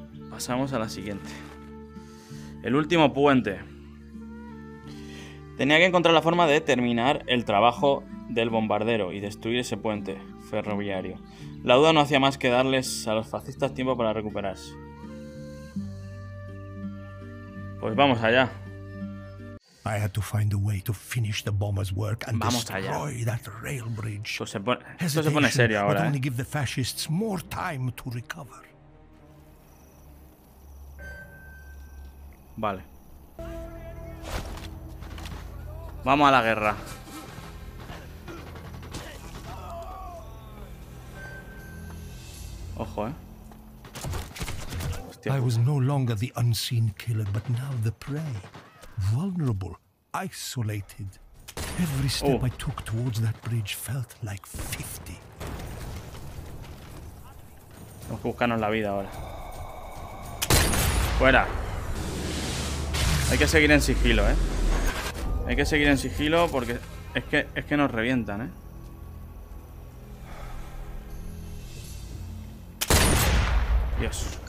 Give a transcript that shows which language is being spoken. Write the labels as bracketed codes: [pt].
[es] Pasamos a la siguiente. El último puente. Tenía que encontrar la forma de terminar el trabajo del bombardero y destruir ese puente ferroviario. La duda no hacía más que darles a los fascistas tiempo para recuperarse. Pues vamos allá. [en] I had to find a way to finish the bomber's work and destroy that rail bridge. [es] Esto se pone serio ahora. [en] Would only give the fascists more time to recover. [es] Vale. Vamos a la guerra. Ojo, [en] Hostia, I was no longer the unseen killer, but now the prey, vulnerable. Isolated. Every step I took towards that bridge felt like 50. [es] Tenemos que buscarnos la vida ahora. Fuera. Hay que seguir en sigilo, Hay que seguir en sigilo porque es que nos revientan, Dios.